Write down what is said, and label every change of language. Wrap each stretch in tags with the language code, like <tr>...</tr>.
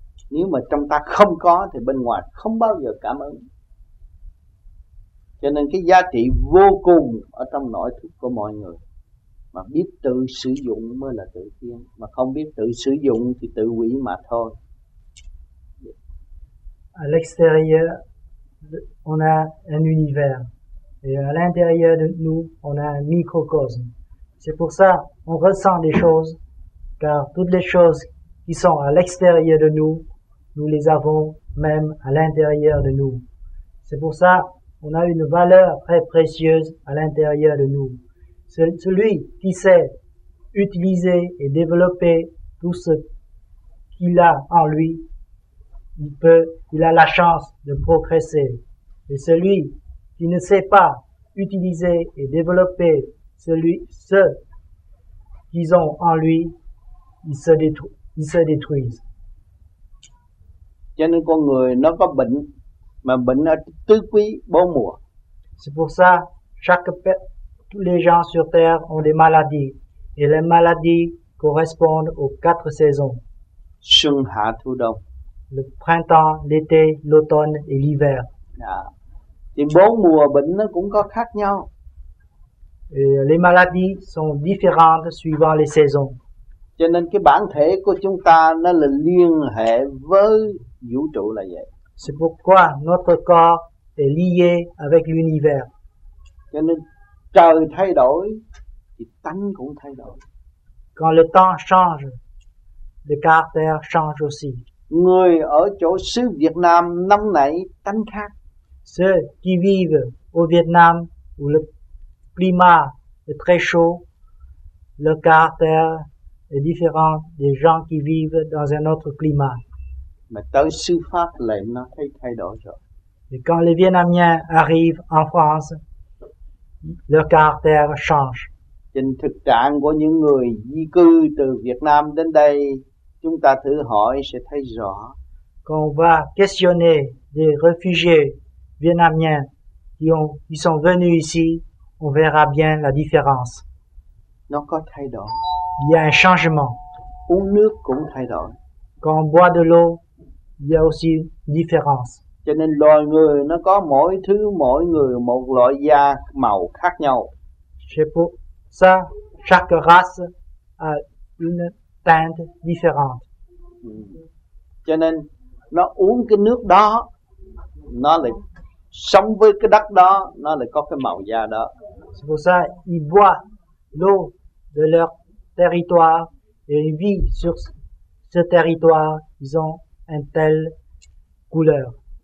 <vi>Nếu mà trong ta không có thì bên ngoài không bao giờ cảm ứng. Cho nên cái giá trị vô cùng ở trong nội thức của mọi người, mà biết tự sử dụng mới là tự tiên, mà không biết tự sử dụng thì tự hủy mà thôi.</vi> <fr>À l'extérieur, on a un univers. Et à l'intérieur de nous, on a un microcosme. C'est pour ça qu'on ressent des choses, car toutes les choses qui sont à l'extérieur de nous, nous les avons même à l'intérieur de nous. C'est pour ça qu'on a une valeur très précieuse à l'intérieur de nous. Celui qui sait utiliser et développer tout ce qu'il a en lui, il a la chance de progresser. Et celui qui ne sait pas utiliser et développer ceux qu'ils ont en lui, ils se détruisent.</fr> <vi>Cho nên con người nó có bệnh, mà bệnh ở tứ quý bốn mùa.</vi> <fr>C'est pour ça chaque tous les gens sur terre ont des maladies et les maladies correspondent aux quatre saisons.</fr> <vi>Xuân hạ thu đông.</vi> <fr>Le printemps, l'été, l'automne et l'hiver.</fr> <vi>Thì bốn mùa bệnh nó cũng có khác nhau.</vi> <fr>Et les maladies sont différentes suivant les saisons.</fr> <vi>Cho nên cái bản thể của chúng ta nó là liên hệ với vũ trụ là vậy.</vi> <fr>C'est pourquoi notre corps est lié avec l'univers.</fr> <vi>Cho nên trời thay đổi thì tánh cũng thay đổi.</vi> <fr>Quand le temps change, le caractère change aussi.</fr> <vi>Người ở chỗ xứ Việt Nam năm nay tánh khác.</vi> <fr>Ceux qui vivent au Vietnam où le climat est très chaud, le caractère est différent des gens qui vivent dans un autre climat.</fr> <vi>Mais tới sư pháp lại nó thấy thay đổi rồi.</vi> <fr>Et quand les Vietnamiens arrivent en France, leur caractère change.</fr> <vi>Trình thực trạng của những người di cư từ Việt Nam đến đây, chúng ta thử hỏi sẽ thấy rõ.</vi> <fr>Quand on va questionner des réfugiés vietnamiens qui sont venus ici, on verra bien la différence.</fr> <vi>Nó có thay đổi.</vi> <fr>Il y a un changement.</fr> <vi>Uống nước cũng thay đổi.</vi> <fr>Quand on boit de l'eau, il y a aussi une différence.</fr> <vi>Cho nên loài người nó có mỗi thứ, mỗi người một loại da màu khác nhau.</vi> <fr>C'est pour ça, chaque race a une teinte différente.</fr> <vi>Cho nên nó uống cái nước đó, nó lại sống với cái đất đó, nó lại có cái màu da đó.</vi> <fr>C'est pour ça, ils boivent l'eau de leur territoire et ils vivent sur ce territoire, ils ont une telle couleur.</fr>